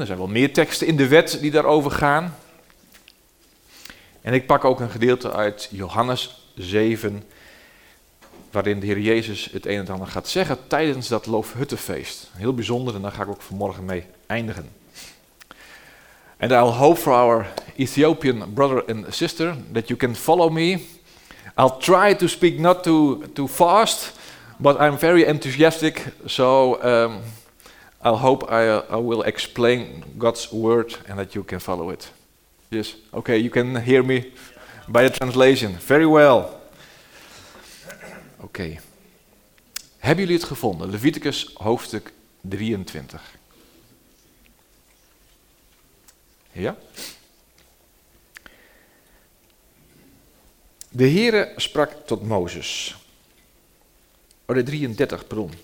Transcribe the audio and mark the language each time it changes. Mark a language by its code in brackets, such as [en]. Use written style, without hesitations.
[nl] Er zijn wel meer teksten in de wet die daarover gaan. En ik pak ook een gedeelte uit Johannes 7, waarin de Heer Jezus het een en ander gaat zeggen tijdens dat Loofhuttenfeest. Heel bijzonder en daar ga ik ook vanmorgen mee eindigen. [en] And I'll hope for our Ethiopian brother and sister that you can follow me. I'll try to speak not too fast. But I'm very enthusiastic, so I'll hope I will explain God's word and that you can follow it. Yes, okay, you can hear me by the translation. Very well. Okay. [nl] Hebben jullie het gevonden? Leviticus hoofdstuk 23. Ja? De Heere sprak tot Mozes. Oh, de 33, pardon.